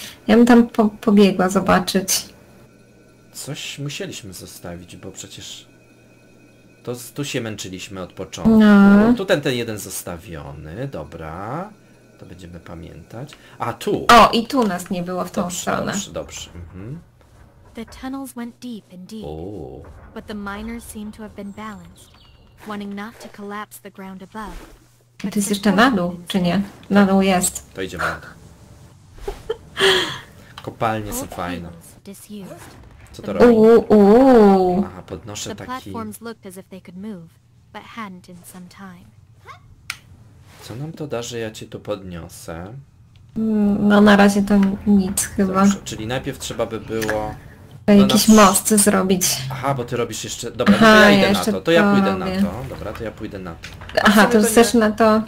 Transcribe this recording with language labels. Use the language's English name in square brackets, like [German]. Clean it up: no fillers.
[Polish] Ja bym tam pobiegła zobaczyć. Coś musieliśmy zostawić, bo przecież... To tu się męczyliśmy od początku. No. Tu ten jeden zostawiony, dobra. To będziemy pamiętać. A tu! O, i tu nas nie było w tą stronę. Dobrze, dobrze. Mhm. [English] The tunnels went deep and deep. But the miners seemed to have been balanced, wanting not to collapse the ground above. [Polish] A ty jest jeszcze na dół, czy nie? Na dół jest. To idziemy. Kopalnie są fajne. Co to robi? Aha, podnoszę taki... [English] The platforms looked as if they could move, but hadn't in some time. [Polish] Co nam to da, że ja cię tu podniosę? No na razie to nic chyba. Dobrze, czyli najpierw trzeba by było... No jakiś most zrobić. Aha, bo ty robisz jeszcze... Dobra, aha, no to ja idę na to. To ja pójdę na to. Dobra, to ja pójdę na to. Aha, to chcesz nie... na to...